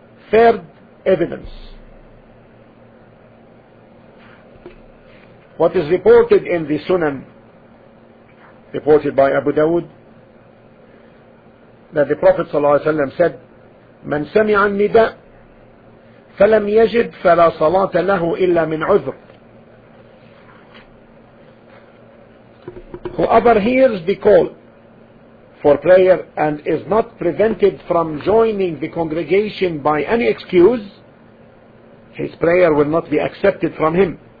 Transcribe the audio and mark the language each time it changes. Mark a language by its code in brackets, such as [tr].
[en] Third evidence. What is reported in the Sunan, reported by Abu Dawud, that the Prophet ﷺ said, [ar] من سمع النداء فلم يجد فلا صلاة له إلا من عذر. [en] Whoever hears the call for prayer and is not prevented from joining the congregation by any excuse, his prayer will not be accepted from him.